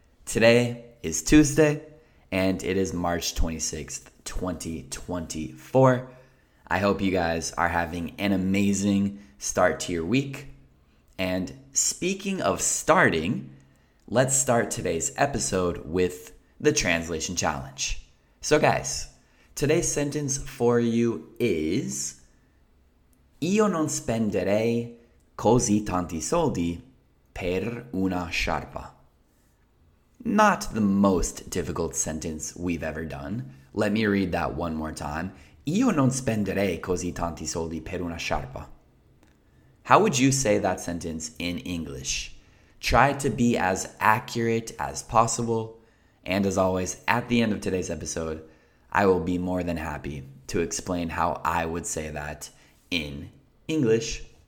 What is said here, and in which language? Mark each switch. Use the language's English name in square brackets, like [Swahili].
[English] Today is Tuesday, and it is March 26th, 2024. I hope you guys are having an amazing start to your week. And speaking of starting, let's start today's episode with the translation challenge. So guys, today's sentence for you is, [Italian] io non spenderei così tanti soldi per una sciarpa. [English] Not the most difficult sentence we've ever done. Let me read that one more time. [Italian] Io non spenderei così tanti soldi per una sciarpa. [English] How would you say that sentence in English? Try to be as accurate as possible. And as always, at the end of today's episode, I will be more than happy to explain how I would say that in English.